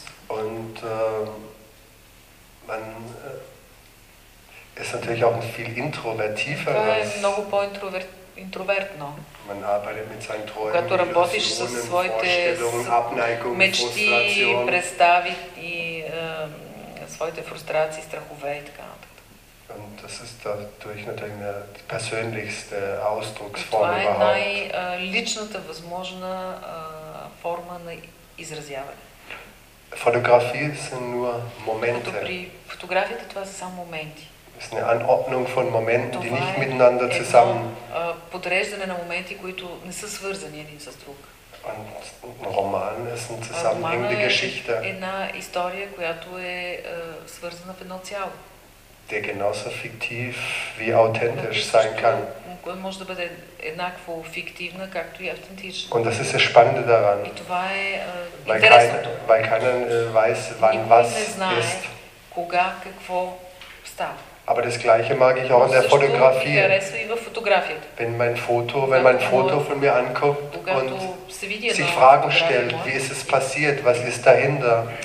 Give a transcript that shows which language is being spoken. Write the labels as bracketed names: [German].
[German] Und man ist natürlich auch ein viel introvertiverer. [Bulgarian] Интровертно. [German] Man arbeitet mit seinen Träumen, [Bulgarian] когато работиш със своите мечти, представи и своите фрустрации, страхове и така нататък. [German] Und das ist dadurch natürlich die persönlichste Ausdrucksform überhaupt. [Bulgarian] Това е най-личната възможна форма на изразяване. [German] Fotografie sind nur Momente. [Bulgarian] При фотографията това са само моменти. [German] Das ist eine Anordnung von Momenten, die nicht miteinander zusammen... [Bulgarian] Подреждане на моменти, които не са свързани един с друг. Роман е съвременна история. Една история, която е свързана в едно цяло. [German] Der genauso fiktiv wie authentisch sein kann. [Bulgarian] Може да бъде еднакво фиктивна, както и автентична. [German] Und das ist das Spannende daran. [Bulgarian] И това е интересното. [German] Weil keiner weiß, wann was ist. [Bulgarian] Кога какво става. [German] Aber das Gleiche mag ich auch in der Fotografie. Wenn mein Foto von mir anguckt und sich Fragen stellt, wie ist es passiert, was ist dahinter?